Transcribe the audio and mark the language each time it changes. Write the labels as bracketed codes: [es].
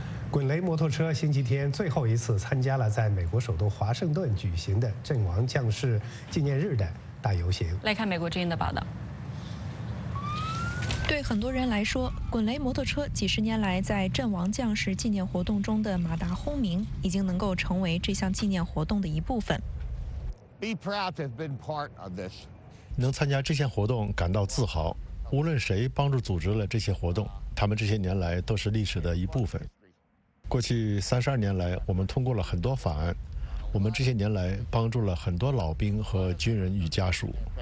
[zh] 滚雷摩托车星期天最后一次参加了在美国首都华盛顿举行的阵亡将士纪念日的大游行。来看美国之音的报道。对很多人来说，滚雷摩托车几十年来在阵亡将士纪念活动中的马达轰鸣，已经能够成为这项纪念活动的一部分。 [en] Be proud to have been part of this. [zh] 能参加这项活动感到自豪。无论谁帮助组织了这些活动，他们这些年来都是历史的一部分。过去32年来，我们通过了很多法案，我们这些年来帮助了很多老兵和军人与家属。